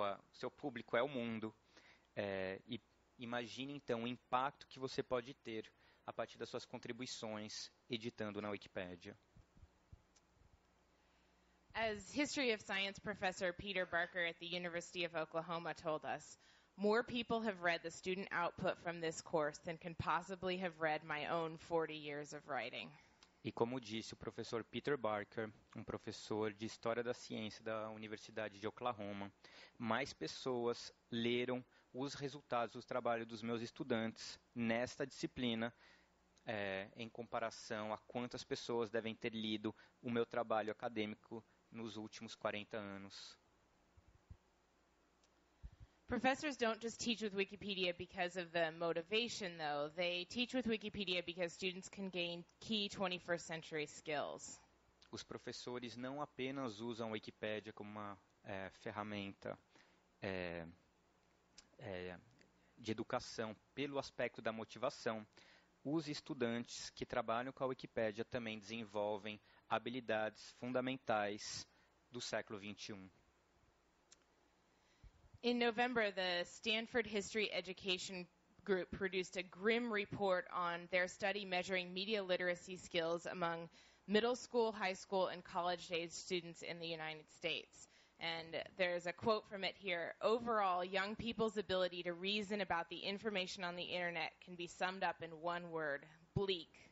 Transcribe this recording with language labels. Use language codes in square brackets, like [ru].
[pt] Seu público é o mundo. E imagine, então, o impacto que você pode ter a partir das suas contribuições editando na Wikipédia. [en] As History of Science professor Peter Barker at the University of Oklahoma told us, more people have read the student output from this course than can possibly have read my own 40 years of writing. [pt] E como disse o professor Peter Barker, um professor de História da Ciência da Universidade de Oklahoma, mais pessoas leram os resultados do trabalho dos meus estudantes nesta disciplina em comparação a quantas pessoas devem ter lido o meu trabalho acadêmico nos últimos 40 anos. [en] Professors don't just teach with Wikipedia because of the motivation, though. They teach with Wikipedia because students can gain key 21st century skills. [pt] Os professores não apenas usam a Wikipédia como uma ferramenta de educação pelo aspecto da motivação. Os estudantes que trabalham com a Wikipédia também desenvolvem habilidades fundamentais do século XXI. [en] In November, the Stanford History Education Group produced a grim report on their study measuring media literacy skills among middle school, high school, and college-age students in the United States. And there's a quote from it here. Overall, young people's ability to reason about the information on the internet can be summed up in one word, bleak.